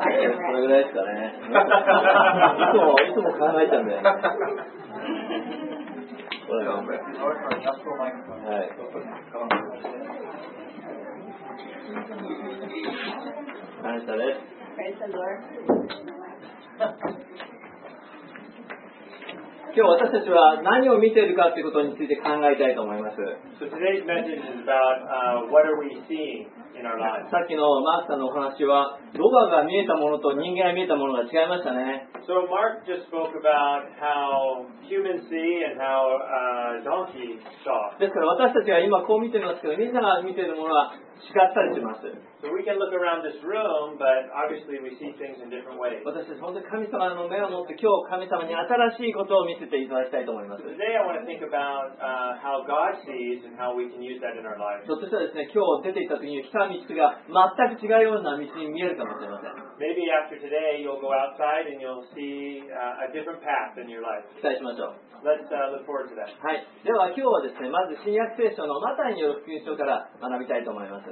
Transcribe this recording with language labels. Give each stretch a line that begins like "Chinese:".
English: Irish.
Japanese: 今日私たちは何を見ているかということについて考えたいと思います。
English: So today's message is about, what are we seeing in our lives.
Japanese: さっきのマークさんのお話はロバが見えたものと人間が見えたものが違いましたね。
English: So Mark just spoke about how humans see and how, donkey saw.
Japanese: ですから私たちが今こう見ていますけど、みんなが見ているものは違ったりします。
English: So we can look around this room, but obviously we see things in different ways.
Japanese: 私たち本当に神様の目を持って今日神様に新しいことを見せていただきたいと思います。
English: So、today I want to think about, how God sees and how we can use that in our lives.
Japanese: そしたらですね、今日出て行った時に来た道が全く違うような道に見えるかもしれません。
English: Maybe after today you'll go outside and you'll see, a different path in your life.
Japanese: 期待しましょう。
English: Let's, look forward to that.
Japanese: はい。では今日はですね、まず新約聖書のマタイによる福音書から学びたいと思います。